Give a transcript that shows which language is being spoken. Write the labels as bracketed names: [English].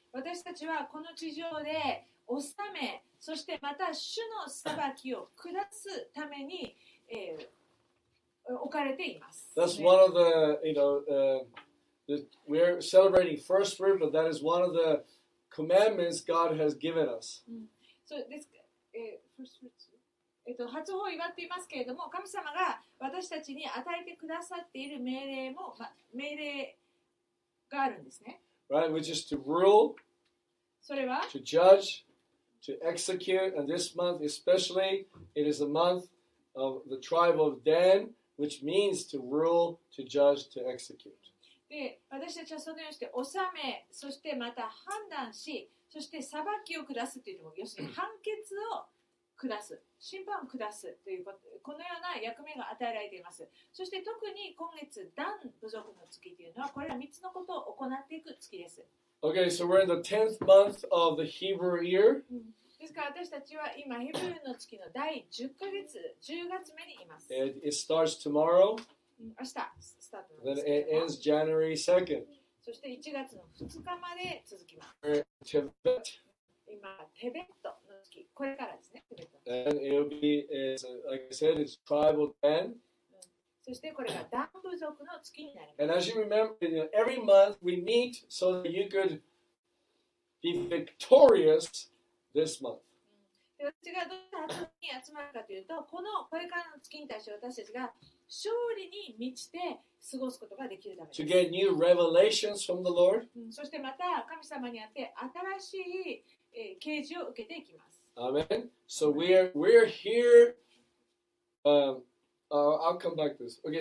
[Japanese] 私たちはこの地上で治め、そしてまた主の裁きを下すために、置かれています。 [English] That's one of the, you know, we're celebrating first fruit, but that is one of the commandments God has given us. So, first fruit. [Japanese] 初歩を祝っていますけれども、神様が私たちに与えてくださっている命令も、命令があるんですね。 [English] Right, which is to rule, [Japanese] それは [English] to judge, to execute, and this month especially, it is a month of the tribe of Dan, which means to rule, to judge, to execute. [Japanese] で、私たちはそのようにして治め、そしてまた判断し、そして裁きを下すというのも、要するに判決を下す、審判を下すというこのような役目が与えられています。そして特に今月ダン部族の月というのはこれら3つのことを行っていく月です。 [English] Okay, so we're in the 10th month of the Hebrew year. [Japanese] ですから私たちは今ヘブルの月の第10ヶ月、10月目にいます。 [English] It starts tomorrow. [Japanese] 明日スタート。 [English] Then it ends January 2nd. [Japanese] そして1月の2日まで続きます。 [English] We're in Tibet. [Japanese] 今テベットこれからですね。 [English] And it will be, it's, like I said, it's tribal Dan. [Japanese] そしてこれがダン部族の月になります。 [English] And as you remember, you know, every month we meet so that you could be victorious this month. [Japanese] 私がどうして集まるかというと、このこれからの月に対して私たちが勝利に満ちて過ごすことができるためです。 [English] To get new revelations from the Lord. [Japanese] そしてまた神様にあって新しい啓示を受けていきます。 [English] Amen. So we're here. I'll come back to this. Okay.